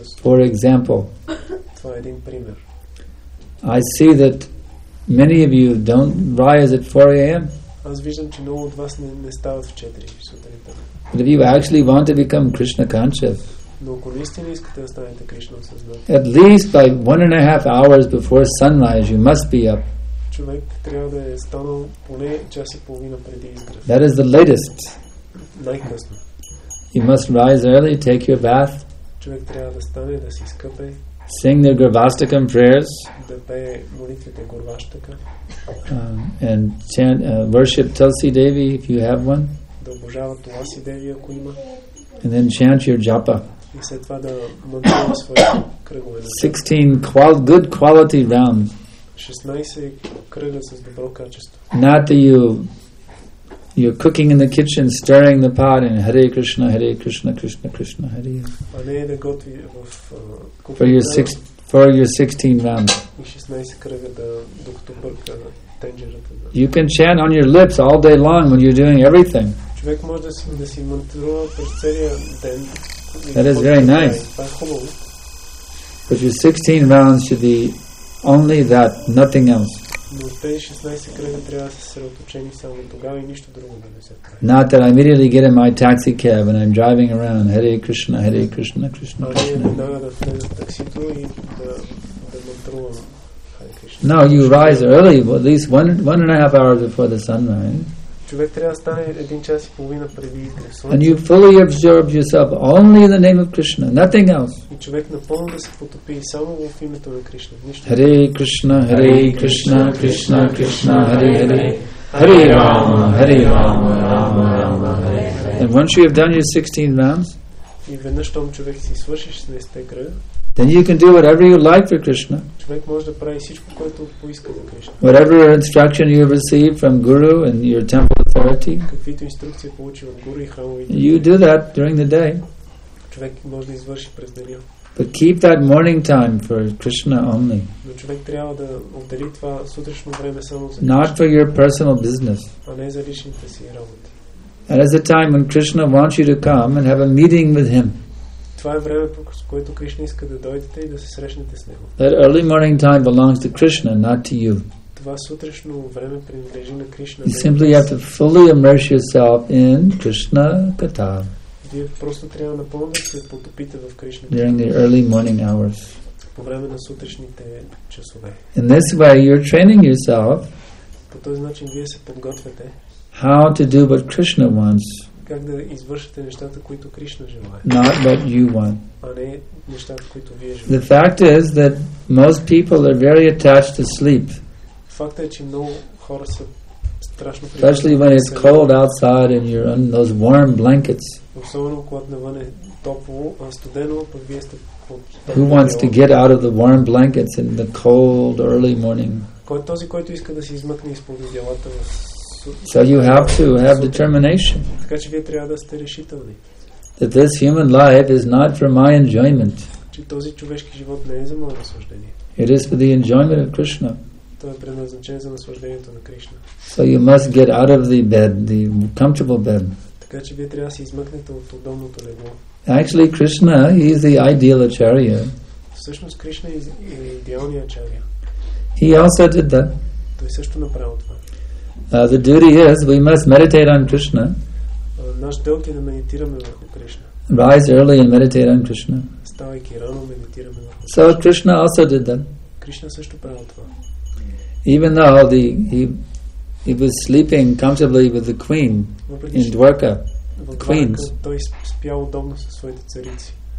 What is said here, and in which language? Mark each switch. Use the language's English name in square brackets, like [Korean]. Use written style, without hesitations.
[English] For example. [Bulgarian] Това е един пример. [English] I see that many of you don't rise at 4 a.m. [Bulgarian] Аз виждам, че много от вас не стават в 4 сутринта. [English] But if you actually want to become Krishna conscious, [Bulgarian] но ако наистина искате да станете Кришна осъзнат, [English] at least by 1.5 hours before sunrise, you must be up. [Bulgarian] Човек трябва да е станал поне час и половина преди изгрев. [English] That is the latest. [Bulgarian] Най-късно. [English] You must rise early, take your bath. [Bulgarian] Човек трябва да стане, да си скъпе. [English] Sing the Gurvastakam prayers. [Bulgarian] Да пее молитвите Гурвастака. [English] And chant, worship Tulsi Devi if you have one. [Bulgarian] Да обожава Туласи Деви, ако има. [English] And then chant your japa. [Bulgarian] И след това да мантрува своите кръгове. [English] 16 good quality rounds. [Bulgarian] 16 кръга с добро качество. [English] Not that you're cooking in the kitchen, stirring the pot and Hare Krishna, Hare Krishna, Krishna Krishna, Hare. [Bulgarian] А не да готви в [English] For your 16 rounds. [Bulgarian] И 16 кръга да докато бърка тенджерата. [English] You can chant on your lips all day long when you're doing everything. [Bulgarian] Човек може да си мантрува през целия ден. [English] That is very nice. But your 16 rounds should be only that, nothing else. [Bulgarian] Но тези 16 кръга трябва да се съсредоточени само тогава и нищо друго да не се прави. [English] Not that I immediately get in my taxi cab and I'm driving around, Hare Krishna, Hare Krishna, Krishna Krishna. [Bulgarian] Не, веднага да влезе в таксито и да мантрувам Hare Krishna. [English] No, you rise early, at least 1.5 hours before the sunrise. [Bulgarian] Човек трябва да стане един час и половина преди изгрев. [English] And you fully absorb yourself only in the name of Krishna, nothing else. [Bulgarian] И човек напълно да се потопи само в името на Кришна. Нищо. [Sanskrit] Hare Krishna, Hare Krishna, Krishna Krishna, Hare Hare. Hare Rama, Hare Rama, Rama Rama, Hare Hare. [English] And once you have done your 16 rounds, [Bulgarian] и веднъж щом човек си свършиш 16-те кръга, [English] then you can do whatever you like for Krishna. [Bulgarian] Човек може да прави всичко, което поиска за Кришна. [English] Whatever instruction you have received from Guru and your temple authority, [Bulgarian] каквито инструкции получи от Гуру и храмовите, [English] you do that during the day. [Bulgarian] Човек може да извърши през деня. [English] But keep that morning time for Krishna only. [Bulgarian] Но човек трябва да отдели това сутрешно време само за Krishna. [English] Not for your personal business. [Bulgarian] А не за личните си работи. [English] That is the time when Krishna wants you to come and have a meeting with him. [Bulgarian] Това е време, с което Кришна иска да дойдете и да се срещнете с него. [English] That early morning time belongs to Krishna, not to you. [Bulgarian] Това сутрешно време принадлежи на Кришна. [English] You simply have to fully immerse yourself in Krishna Katha. [Bulgarian] Вие просто трябва напълно да се потопите в Кришна. [English] During the early morning hours. [Bulgarian] По време на сутрешните часове. [English] In this way you're training yourself. [Bulgarian] По този начин вие се подготвяте. [English] How to do what Krishna wants. [Bulgarian] Как да извършите нещата, които Кришна желае. [English] Not what you want. [Bulgarian] А не нещата, които вие желаете. [English] The fact is that most people are very attached to sleep. [Bulgarian] Фактът е, че много хора са страшно привързани. [English] Especially when it's cold outside and you're on those warm blankets. [Bulgarian] Особено когато навън е топло, а студено, пък вие сте под. [English] Who wants to get out of the warm blankets in the cold early morning? [Bulgarian] Кой този, който иска да се измъкне изпод одеялата в. [English] So you have to have determination. [Bulgarian] Така че вие трябва да сте решителни. [English] That this human life is not for my enjoyment. [Bulgarian] Че този човешки живот не е за мое наслаждение. [English] It is for the enjoyment of Krishna. [Bulgarian] Това е предназначен за наслаждението на Кришна. [English] So you must get out of the bed, the comfortable bed. [Bulgarian] Така че вие трябва да се измъкнете от удобното легло. [English] Actually, Krishna is the ideal acharya. [Bulgarian] Всъщност Кришна е идеалният ачарья. [English] He also did that. [Bulgarian] Той също направил това. [English] The duty is we must meditate on Krishna. [Bulgarian] Наш дълг е да медитираме върху Кришна. [English] Rise early and meditate on Krishna. [Bulgarian] Ставайки рано, медитираме върху Кришна. [English] So Krishna also did that. [Bulgarian] Кришна също правил това. [English] Even though he was sleeping comfortably with the queen in Dwarka, the queens. [Bulgarian] Той спял удобно със своите царици.